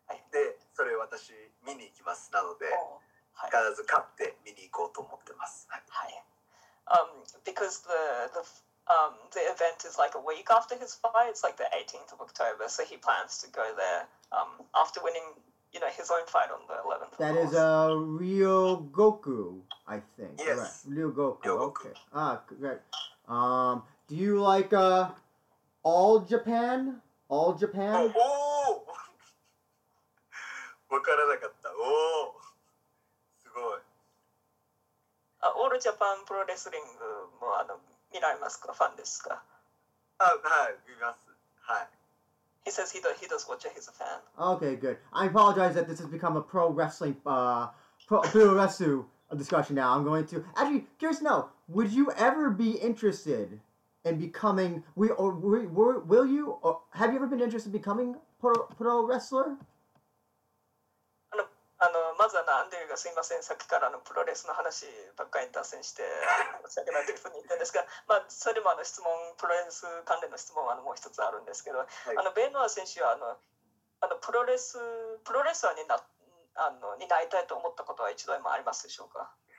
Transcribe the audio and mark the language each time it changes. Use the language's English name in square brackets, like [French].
[Japanese] で、それ私見に行きます。なので、必ず勝って見に行こうと思ってます。はい。 [English] Because the event is like a week after his fight. It's like the 18th of October. So he plans to go there after winning, you know, his own fight on the 11th. That is Ryogoku, I think. Yes. Right. Ryogoku. Okay. Ah, great. Do you like All Japan? All Japan? [Japanese] Oh! わからなかった.Oh! All Japan Pro Wrestling もあの見られますか、ファンですか。あ、はい、見ます。はい。 [English] He says he does watch it, he's a fan. Okay, good. I apologize that this has become a pro wrestling, pro wrestling discussion now. I'm going to... Actually, curious to know, would you ever be interested in becoming... will you... Or have you ever been interested in becoming pro wrestler? [Japanese] あの、まずあのアンデューがすいません、さっきからあのプロレスの話ばっかりに脱線して申し訳ないというふうに言ったんですが、まあ、それもあの質問、プロレス関連の質問はあのもう一つあるんですけど、はい、あのベノア選手はあのプロレスラーに なりたいと思ったことは一度もありますでしょうか。